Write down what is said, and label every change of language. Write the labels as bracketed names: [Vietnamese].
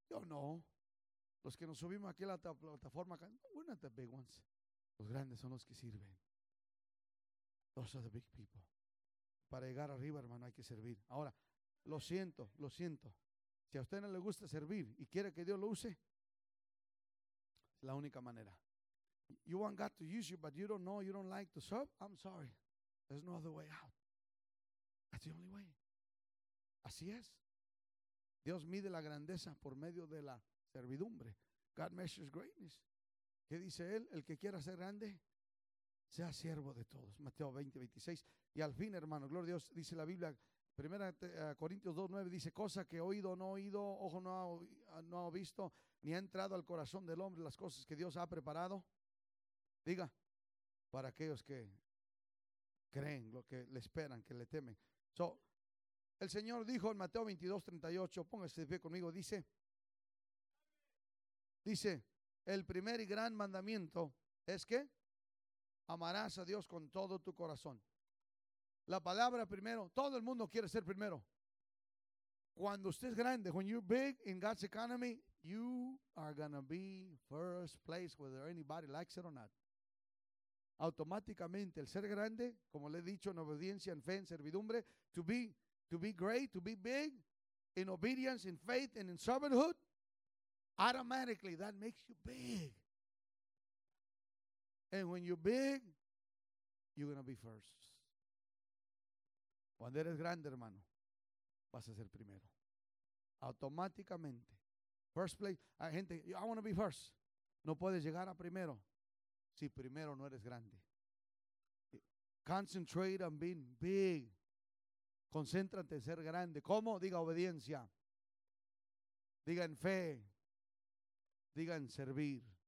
[Spanish] Yo no. Los que nos subimos aquí a la plataforma, [English] we're not the big ones. [Spanish] Los grandes son los que sirven. [English] Those are the big people. [Spanish] Para llegar arriba, hermano, hay que servir. Ahora, lo siento, lo siento. Si a usted no le gusta servir y quiere que Dios lo use, es la única manera. [English] You want God to use you, but you don't know, you don't like to serve? I'm sorry. There's no other way out. That's the only way. [Spanish] Así es. Dios mide la grandeza por medio de la servidumbre. [English] God measures greatness. [Spanish] ¿Qué dice él? El que quiera ser grande, sea siervo de todos. Mateo 20, 26. Y al fin, hermano, gloria a Dios, dice la Biblia, 1 Corintios 2, 9, dice, cosa que oído no oído, ojo no ha visto, ni ha entrado al corazón del hombre, las cosas que Dios ha preparado. Diga, para aquellos que creen, lo que le esperan, que le temen. So, el Señor dijo en Mateo 22, 38, póngase de pie conmigo, dice, el primer y gran mandamiento es que amarás a Dios con todo tu corazón. La palabra primero, todo el mundo quiere ser primero. Cuando usted es grande, [English] when you're big in God's economy, you are going to be first place whether anybody likes it or not. [Spanish] Automáticamente, el ser grande, como le he dicho, en obediencia, en fe, en servidumbre, [English] to be great, to be big, in obedience, in faith, and in servanthood, automatically, that makes you big. And when you're big, you're going to be first. [Spanish] Cuando eres grande, hermano, vas a ser primero. Automáticamente. [English] First place. [Spanish] Hay gente, [English] I want to be first. [Spanish] No puedes llegar a primero si primero no eres grande. [English] Concentrate on being big. [Spanish] Concéntrate en ser grande. ¿Cómo? Diga obediencia. Diga en fe. Diga en servir.